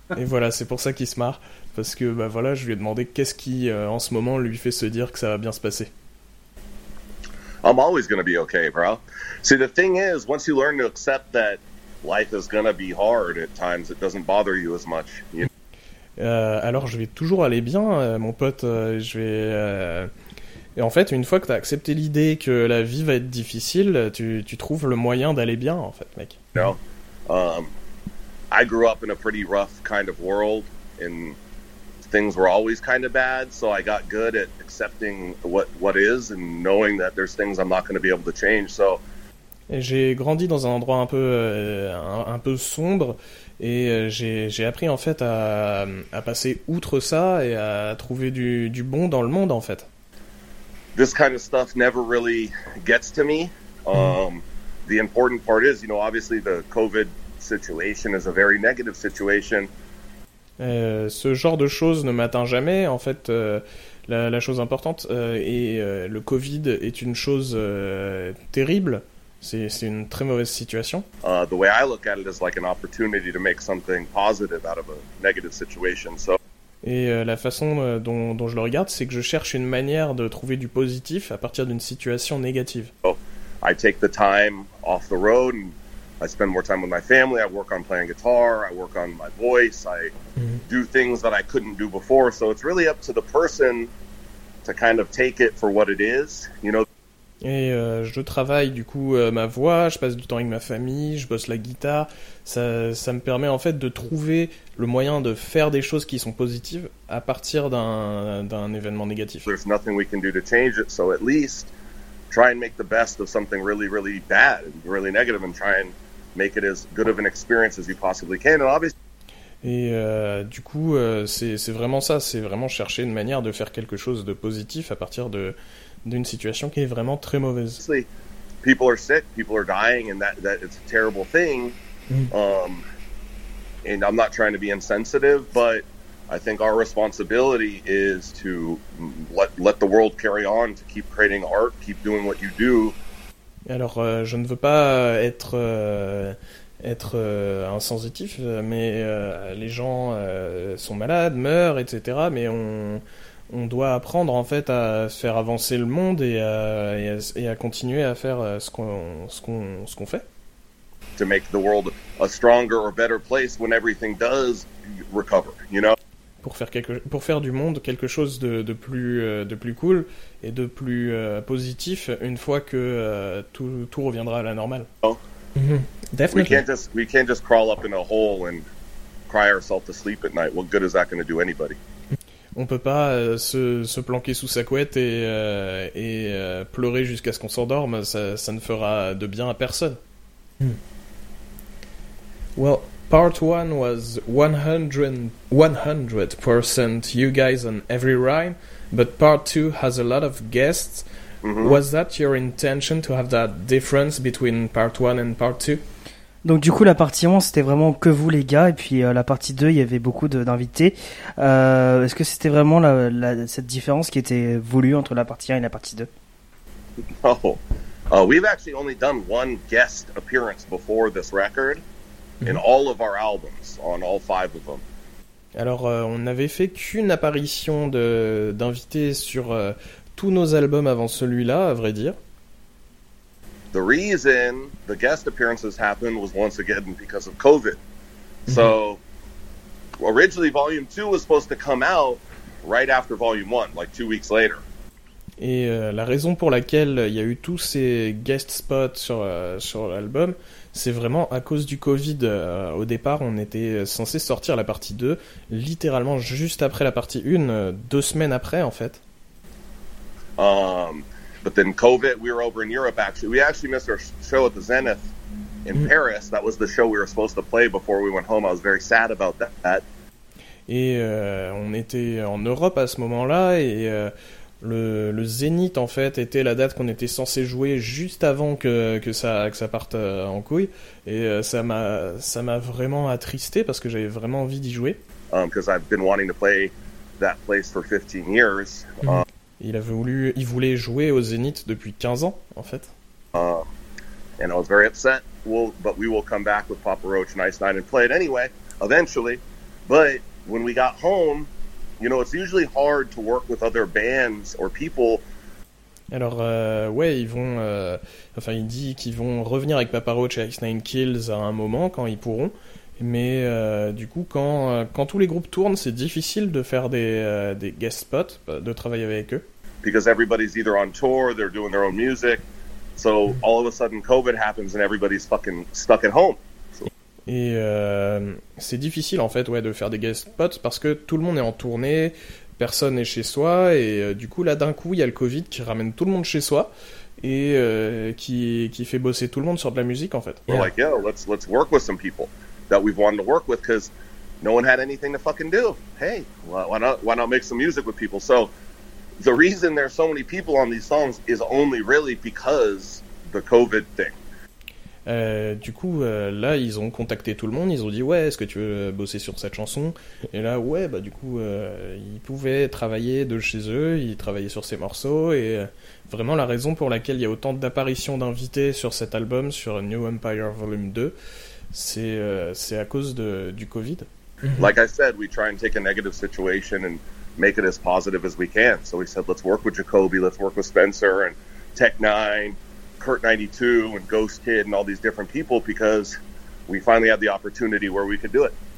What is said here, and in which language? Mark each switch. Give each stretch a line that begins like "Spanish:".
French: Et voilà, c'est pour ça qu'il se marre, parce que bah voilà, je lui ai demandé qu'est-ce qui en ce moment lui fait se dire que ça va bien se passer.
English: I'm always gonna be okay, bro. See, the thing is, once you learn to accept that life is gonna be hard at times, it doesn't bother you as much. You know?
French: Alors je vais toujours aller bien, mon pote. Je vais Et en fait, une fois que t'as accepté l'idée que la vie va être difficile, tu trouves le moyen d'aller bien, en fait, mec.
English: No, I grew up in a pretty rough kind of world, and things were always kind of bad. So I got good at accepting what is and knowing that there's things I'm not going to be able to change. So
French: j'ai grandi dans un endroit un peu sombre, et j'ai appris en fait à passer outre ça et à trouver du bon dans le monde, en fait.
English: This kind of stuff never really gets to me. The important part is, you know, obviously the COVID situation is a very negative situation.
French: Ce genre de choses ne m'atteint jamais. En fait, la chose importante est le COVID est une chose terrible. C'est une très mauvaise situation.
English: The way I look at it is like an opportunity to make something positive out of a negative situation. So.
French: Et la façon dont je le regarde, c'est que je cherche une manière de trouver du positif à partir d'une situation négative.
English: I take the time off the road and I spend more time with my family, I work on playing guitar, I work on my voice, I do things that I couldn't do before, so it's really up to the person to kind of take it for what it is, you know.
French: Et je travaille du coup ma voix, je passe du temps avec ma famille, je bosse la guitare. Ça me permet en fait de trouver le moyen de faire des choses qui sont positives à partir d'un événement négatif.
English: There's nothing we can do to change it, so at least try and make the best of something really, really bad, really negative, and try and make it as good of an experience as you possibly can. And obviously.
French: Et du coup, c'est vraiment ça. C'est vraiment chercher une manière de faire quelque chose de positif à partir d'une situation qui est vraiment très mauvaise.
English: People are sick, people are dying, and that it's a terrible thing. And I'm not trying to be insensitive, but I think our responsibility is to let the world carry on, to keep creating art, keep doing what you do.
French: Alors, je ne veux pas être insensitif, mais les gens sont malades, meurent, etc. Mais on doit apprendre en fait à faire avancer le monde et à continuer à faire ce qu'on fait.
English: To make the world a stronger or better place when everything does recover, you know.
French: Pour faire du monde quelque chose de plus cool et de plus positif une fois que tout reviendra à la normale. Oh.
English: Definitely. We can't just crawl up in a hole and cry ourselves to sleep at night. What good is that going to do anybody?
French: On peut pas se planquer sous sa couette et pleurer jusqu'à ce qu'on s'endorme. Ça ne fera de bien à personne.
English: Well, part one was 100% you guys on every rhyme, but part two has a lot of guests. Mm-hmm. Was that your intention to have that difference between part one and part two?
French: Donc du coup, la partie 1, c'était vraiment que vous les gars, et puis la partie 2, il y avait beaucoup d'invités. Est-ce que c'était vraiment cette différence qui était voulue entre la partie 1 et la partie 2?
English: No. We've actually only done one guest appearance before this record, in all of our albums, on all five of them.
French: Alors, on n'avait fait qu'une apparition d'invités sur tous nos albums avant celui-là, à vrai dire.
English: The reason the guest appearances happened was once again because of COVID. So, originally Volume 2 was supposed to come out right after Volume 1, like 2 weeks later.
French: Et la raison pour laquelle il y a eu tous ces guest spots sur l'album, c'est vraiment à cause du Covid. Au départ, on était censé sortir la partie 2, littéralement juste après la partie 1, 2 semaines après en fait.
English: But then COVID, we were over in Europe actually. We actually missed our show at the Zenith in Paris. That was the show we were supposed to play before we went home. I was very sad about that.
French: Et on était en Europe à ce moment-là et le Zénith en fait était la date qu'on était censé jouer juste avant que ça parte en couille. Et ça m'a vraiment attristé parce que j'avais vraiment envie d'y jouer.
English: Because I've been wanting to play that place for 15 years.
French: Il voulait jouer au Zénith depuis 15 ans, en fait.
English: and I was very upset. Well, but we will come back with Papa Roach Nice Nine and play it anyway, eventually. But when we got home, you know, it's usually hard to work with other bands or people.
French: Alors, ouais, ils vont... enfin, il dit qu'ils vont revenir avec Papa Roach et X9 Kills à un moment, quand ils pourront. Mais du coup, quand tous les groupes tournent, c'est difficile de faire des guest spots, de travailler avec eux.
English: Because everybody's either on tour, they're doing their own music. So, all of a sudden, COVID happens and everybody's fucking stuck at home.
French: Et c'est difficile, en fait, ouais, de faire des guest spots parce que tout le monde est en tournée, personne n'est chez soi, et du coup, là, d'un coup, il y a le Covid qui ramène tout le monde chez soi et qui fait bosser tout le monde sur de la musique, en fait.
English: We're like, yeah, let's work with some people that we've wanted to work with because no one had anything to fucking do. Hey, why not make some music with people? So, the reason there's so many people on these songs is only really because the COVID thing.
French: Du coup, là, ils ont contacté tout le monde, ils ont dit « Ouais, est-ce que tu veux bosser sur cette chanson ?» Et là, ouais, bah du coup, ils pouvaient travailler de chez eux, ils travaillaient sur ces morceaux, et vraiment la raison pour laquelle il y a autant d'apparitions d'invités sur cet album, sur New Empire Volume 2, c'est à cause du Covid.
English: Like I said, we try and take a negative situation and make it as positive as we can. So we said, let's work with Jacoby, let's work with Spencer and Tech Nine. Kurt 92 and Ghost Kid and all these different people because we finally had the opportunity where we could do it.